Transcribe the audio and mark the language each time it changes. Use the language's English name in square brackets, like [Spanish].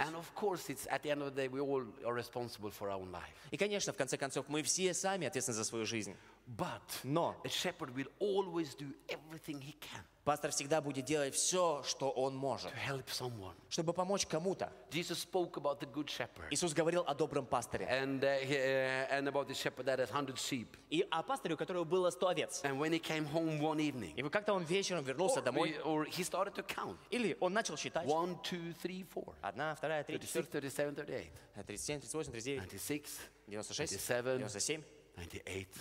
[English] And of course, it's at the end of the day, we all are responsible for our own life. [Russian] И, конечно, в конце концов, мы все сами ответственны за свою жизнь. [English] But, [Russian] но, [English] a shepherd will always do everything he can. [Russian] Пастор всегда будет делать все, что он может, [English] to help someone. [Russian] Чтобы помочь кому-то. [English] Jesus spoke about the good shepherd. [Russian] Иисус говорил о добром пасторе. [English] And, and about the shepherd that has 100 sheep. [Russian] И о пасторе, у которого было 100 овец. [English] And when he came home one evening. [Russian] И как-то он вечером вернулся домой. [English] Or he started to count. [Russian] Или он начал считать. [English] 1, 2, 3, 4. [Russian] 1, 2, 3, 4. [English] 36, 37, 38. [Russian] 37, 38, 39. 96, [English] 97, [Russian] 97. [English] 98.